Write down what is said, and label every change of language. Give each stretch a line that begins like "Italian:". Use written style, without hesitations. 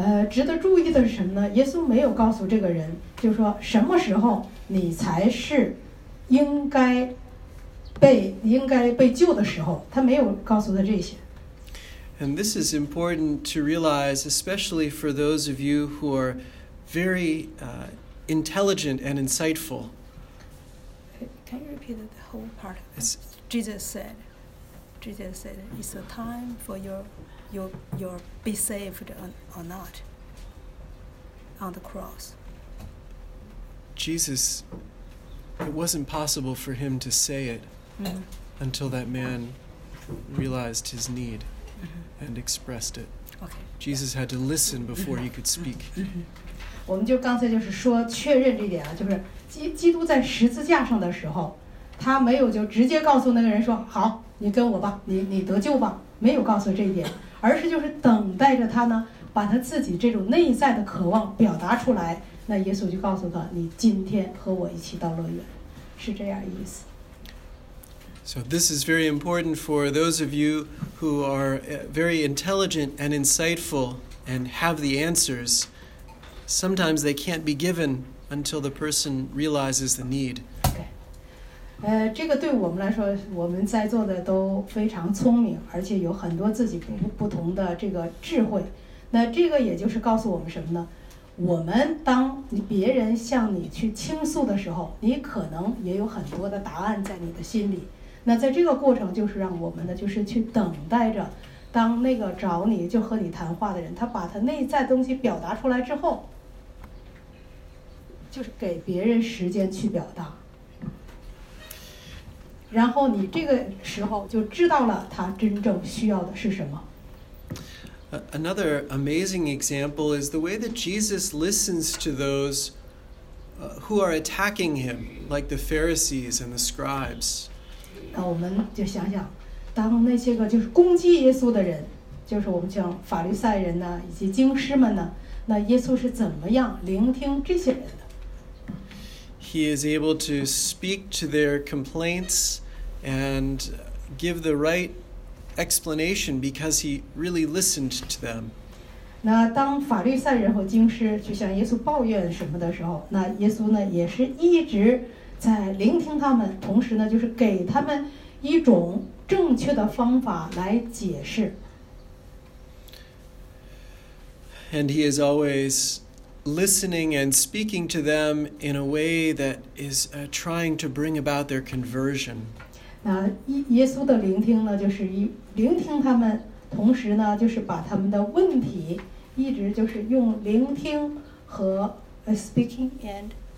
Chinese: 值得注意的是什么呢？耶稣没有告诉这个人，就说什么时候你才是应该被救的时候，他没有告诉他这些。
English: And this is important to realize, especially for those of you who are very intelligent and insightful. Can you repeat the whole part? Jesus said. Jesus said, it's a time for you to be saved or not. on the cross. Jesus, it wasn't possible for him to say it until that man realized his need and expressed it. Okay. Jesus had to listen before he could speak.
Chinese: 我们就刚才就是说确认这点啊，就是基督在十字架上的时候，他没有就直接告诉那个人说好，你跟我吧，你得救吧，没有告诉这一点，而是就是等待着他呢，把他自己这种内在的渴望表达出来，那耶稣就告诉他，你今天和我一起到乐园，是这样意思。
English: So this is very important for those of you who are very intelligent and insightful and have the answers. Sometimes they can't be given until the person realizes the need. Okay.
Chinese: 这个对我们来说，我们在座的都非常聪明，而且有很多自己不同的这个智慧。那这个也就是告诉我们什么呢？我们当别人向你去倾诉的时候，你可能也有很多的答案在你的心里。那在这个过程就是让我们呢，就是去等待着，当那个找你就和你谈话的人，他把他内在东西表达出来之后，就是给别人时间去表达，然后你这个时候就知道了他真正需要的是什么。
English: Another amazing example is the way that Jesus listens to those who are attacking him, like the Pharisees and the scribes.
Chinese: 那我们就想想，当那些个就是攻击耶稣的人，就是我们讲法律赛人呢，以及经师们呢，那耶稣是怎么样聆听这些人的
English: ？He is able to speak to their complaints and give the right explanation because he really listened to them.
Chinese: 那当法律赛人和经师去向耶稣抱怨什么的时候，那耶稣呢也是一直。在聆听他们，同时呢，就是给他们一种正确的方法来解释。
English: And he is always listening and speaking to them in a way that is trying to bring about their conversion.
Chinese: 那耶稣的聆听呢，就是聆听他们，同时呢，就是把他们的问题一直就是用聆听和
English: speaking and.